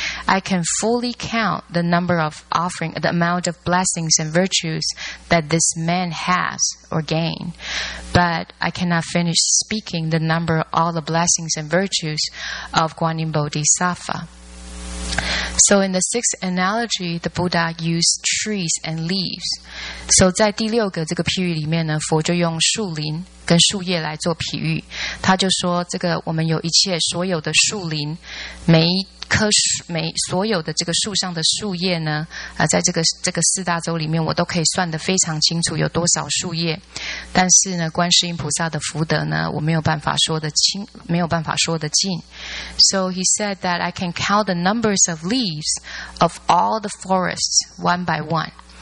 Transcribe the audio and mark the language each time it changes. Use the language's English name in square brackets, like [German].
[English] I can fully count the number of offering, the amount of blessings and virtues that this man has or gain, but I cannot finish speaking the number of all the blessings and virtues of Guanyin Bodhisattva. So in the sixth analogy, the Buddha used trees and leaves. [Chinese] So 在第六个这个譬喻里面呢，佛就用树林跟树叶来做譬喻。他就说，这个我们有一切所有的树林，每一棵树，每所有的这个树上的树叶呢，在这个四大洲里面，我都可以算得非常清楚有多少树叶。但是呢，观世音菩萨的福德呢，我没有办法说得清，没有办法说得尽。 [English] So he said that I can count the numbers of leaves of all the forests one by one.